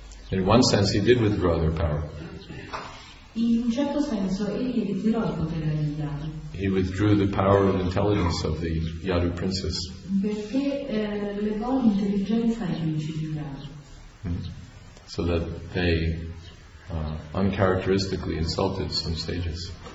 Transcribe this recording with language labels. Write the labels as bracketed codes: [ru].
[en] In one sense, he did withdraw their power. [it] In certo senso, egli ritirò il potere degli Yadu. [en] He withdrew the power and intelligence of the Yadu princess. [it] Perché levò l'intelligenza ai principi di Yadu. [en] So that they uncharacteristically insulted some sages.